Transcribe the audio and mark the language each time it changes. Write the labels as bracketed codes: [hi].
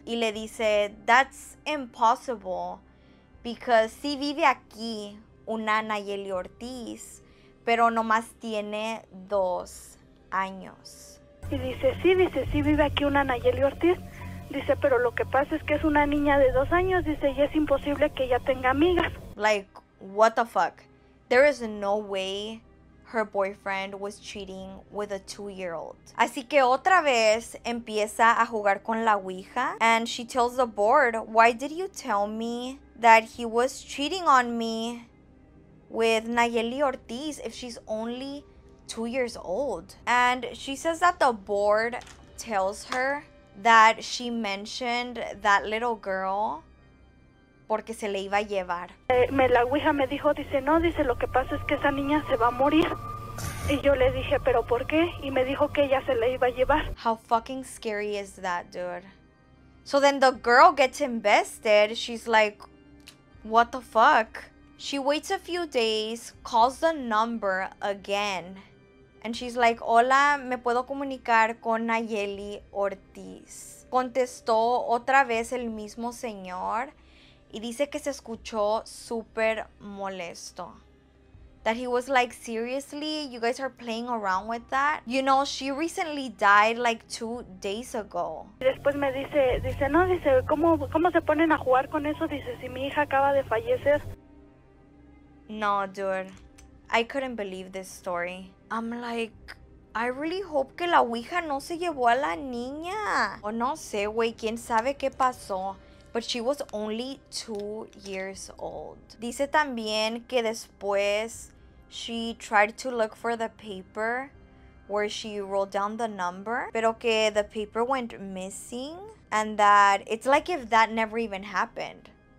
[es] Y le dice, [en] that's impossible. Because [es] sí vive aquí una Nayeli Ortiz, pero nomás tiene 2 años. Y dice, sí vive aquí una Nayeli Ortiz. Dice, pero lo que pasa es que es una niña de 2 años. Dice, y es imposible que ella tenga amigas. [en] Like, what the fuck? There is no way her boyfriend was cheating with a 2-year-old. [es] Así que otra vez empieza a jugar con la Ouija. [en] And she tells the board, why did you tell me that he was cheating on me with Nayeli Ortiz if she's only 2 years old? And she says that the board tells her that she mentioned that little girl [es] porque se le iba a llevar. La ouija me dijo, dice, no, dice, lo que pasa es que esa niña se va a morir. Y yo le dije, pero ¿por qué? Y me dijo que ella se le iba a llevar. [en] How fucking scary is that, dude? So then the girl gets invested. She's like, what the fuck? She waits a few days, calls the number again, And she's like, [es] hola, ¿me puedo comunicar con Nayeli Ortiz? Contestó otra vez el mismo señor y dice que se escuchó súper molesto. [en] That he was like, seriously, you guys are playing around with that? You know, she recently died like 2 days ago. [es] Después me dice, dice, no, dice, ¿cómo se ponen a jugar con eso? Dice, si mi hija acaba de fallecer. [en] No, dude, I couldn't believe this story. I'm like, I really hope [es] que la ouija no se llevó a la niña. Oh, no sé, güey, quién sabe qué pasó. [en] But she was only 2 years old. [es] Dice también que después [en] she tried to look for the paper where she wrote down the number, [es] pero que [en] the paper went missing, and that it's like if that never even happened.